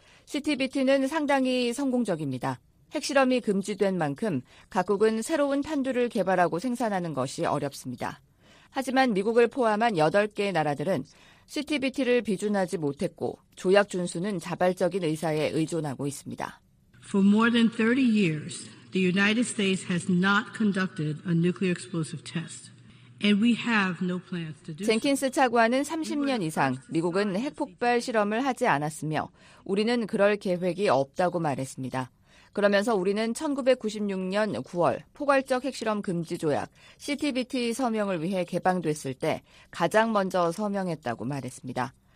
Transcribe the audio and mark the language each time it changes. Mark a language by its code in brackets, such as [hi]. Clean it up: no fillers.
[ko] CTBT는 상당히 성공적입니다. 핵실험이 금지된 만큼 각국은 새로운 탄두를 개발하고 생산하는 것이 어렵습니다. 하지만 미국을 포함한 8개의 나라들은 CTBT를 비준하지 못했고 조약 준수는 자발적인 의사에 의존하고 있습니다. [en] For more than 30 years, the United States has not conducted a nuclear explosive test. And we have no plans to do. [ko] 젠킨스 차관은 30년 이상 미국은 핵폭발 실험을 하지 않았으며 우리는 그럴 계획이 없다고 말했습니다. 그러면서 우리는 1996년 9월 포괄적 핵실험 금지 조약 CTBT 서명을 위해 개방됐을 때 가장 먼저 서명했다고 말했습니다.